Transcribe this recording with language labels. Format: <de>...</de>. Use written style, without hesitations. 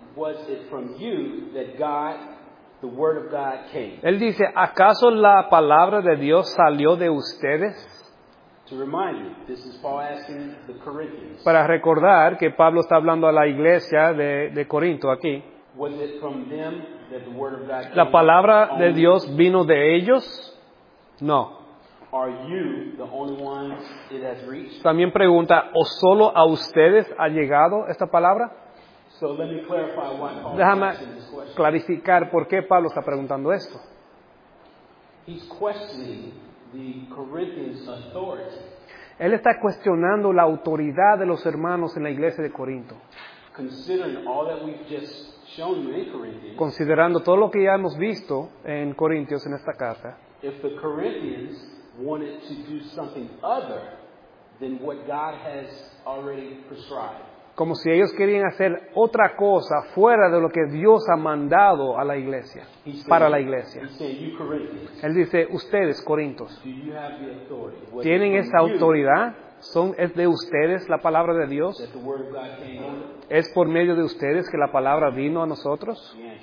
<en>was it from you that God, the word of God came?</en> <es>Él dice, ¿acaso la palabra de Dios salió de ustedes?</es> <en>To remind you, this is Paul asking the Corinthians.</en> <es>Para recordar que Pablo está hablando a la iglesia de Corinto aquí.</es> <en>Was it from them that the word of God came?</en> <es>¿La palabra de Dios vino de ellos? No.</es> <en>Are you the only ones it has reached?</en> <es>También pregunta, ¿o solo a ustedes ha llegado esta palabra?</es> <en>So let me clarify why Paul</en> <es>Déjame</es> <en>is asking this question.</en> <es>Clarificar por qué Pablo está preguntando esto.</es> <en>He's questioning the Corinthians' authority.</en> <es>Él está cuestionando la autoridad de los hermanos en la iglesia de Corinto.</es> <en>Considering all that we've just shown you in Corinthians,</en> <es>considerando todo lo que ya hemos visto en Corintios en esta carta,</es> <en>if the Corinthians wanted to do something other than what God has already prescribed.</en> <es>Como si ellos querían hacer otra cosa fuera de lo que Dios ha mandado a la iglesia, para la iglesia. Él dice, ustedes, Corintios, ¿tienen esa autoridad? ¿Es de ustedes la palabra de Dios? ¿Es por medio de ustedes que la palabra vino a nosotros?</es>